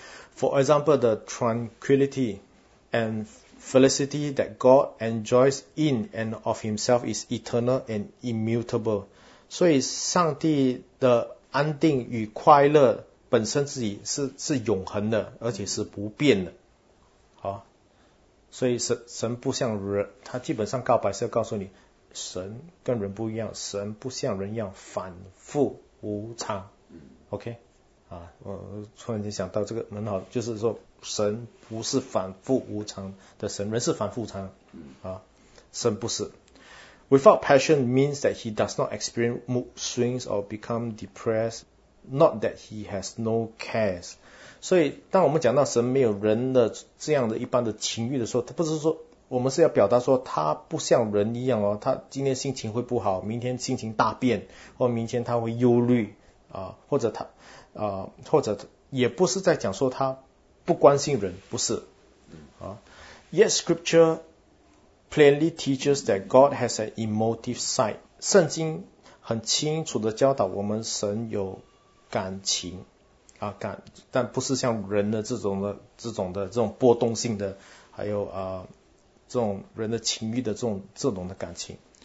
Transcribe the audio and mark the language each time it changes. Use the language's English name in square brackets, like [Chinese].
[English] For example, the tranquility and Felicity that God enjoys in and of Himself is eternal and immutable. [Chinese] 所以上帝的安定与快乐本身自己是永恒的，而且是不变的。好，所以神不像人，他基本上告白是要告诉你，神跟人不一样，神不像人一样反复无常。 OK， 啊，我突然间想到这个很好，就是说。神不是反复无常的神，人是反复无常啊，神不是。 [English] Without passion means that he does not experience mood swings or become depressed, not that he has no cares. [Chinese] 所以，当我们讲到神没有人的这样的一般的情欲的时候，他不是说我们是要表达说他不像人一样哦，他今天心情会不好，明天心情大变，或明天他会忧虑啊，或者他或者也不是在讲说他。不关心人，不是。 [English] Yet scripture plainly teaches that God has an emotive side. [Chinese] 圣经很清楚地教导我们神有感情啊，但不是像人的这种波动性的，还有这种人的情欲的这种的感情。